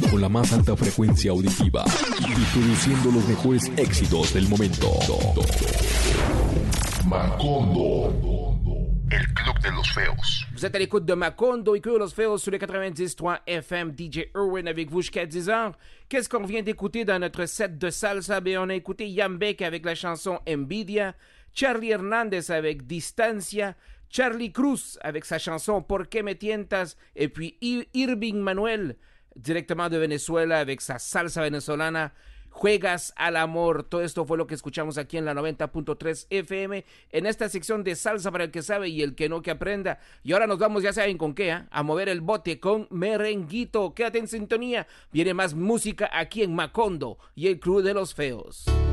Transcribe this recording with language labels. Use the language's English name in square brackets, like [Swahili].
[Spanish] Más alta frecuencia auditiva y produciendo los mejores éxitos del momento. Macondo, el club de los feos. [French] Vous êtes à l'écoute de Macondo, club de los feos sur le 90.3 FM. DJ Irwin avec vous jusqu'à 10h. Qu'est-ce qu'on vient d'écouter dans notre set de salsa? Bien, on a écouté Yambek avec la chanson Envidia, Charlie Hernandez avec Distancia, Charlie Cruz avec sa chanson Por qué me tientas, et puis Irving Manuel directement de Venezuela avec sa salsa venezolana, Juegas al Amor. [Spanish] Todo esto fue lo que escuchamos aquí en la 90.3 FM, en esta sección de salsa para el que sabe y el que no que aprenda. Y ahora nos vamos, ya saben con qué, a mover el bote con Merenguito. Quédate en sintonía, viene más música aquí en Macondo y el Club de los Feos.